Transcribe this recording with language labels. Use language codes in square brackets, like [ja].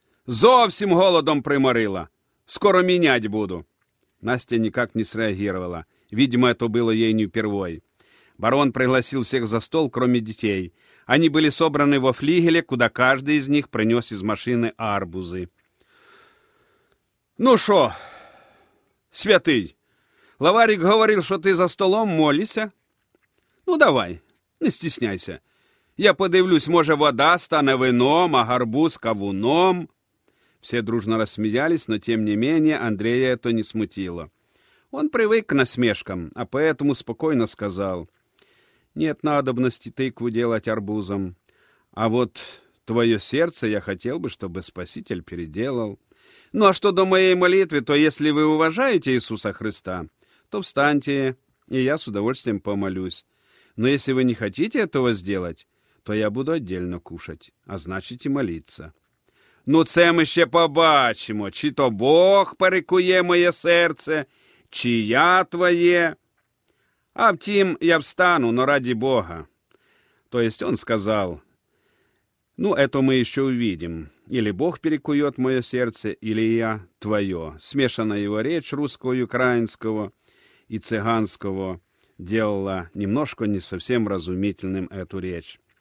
[uk] «Зовсім голодом приморила! [ru] Скоро менять буду!» Настя никак не среагировала. Видимо, это было ей не впервой. Барон пригласил всех за стол, кроме детей. Они были собраны во флигеле, куда каждый из них принес из машины арбузы. «Ну шо, святый, Лаварик говорил, что ты за столом молишься? Ну давай, не стесняйся. [uk] Я подивлюсь, [ru] может, вода станет вином, а арбуз кавуном?» Все дружно рассмеялись, но тем не менее Андрея это не смутило. Он привык к насмешкам, а поэтому спокойно сказал: «Нет надобности тыкву делать арбузом. А вот твое сердце я хотел бы, чтобы Спаситель переделал. Ну а что до моей молитвы, то если вы уважаете Иисуса Христа, то встаньте, и я с удовольствием помолюсь. Но если вы не хотите этого сделать, то я буду отдельно кушать, а значит и молиться». [uk] «Ну це ми ще побачимо, чи то Бог перекує моє серце, чи я твоє. А втім, я встану, [ru] но ради Бога». То есть он сказал: «Ну, это мы еще увидим. Или Бог перекует мое сердце, или я твое». Смешанная его речь русского, украинского и цыганского делала немножко не совсем разумительным эту речь.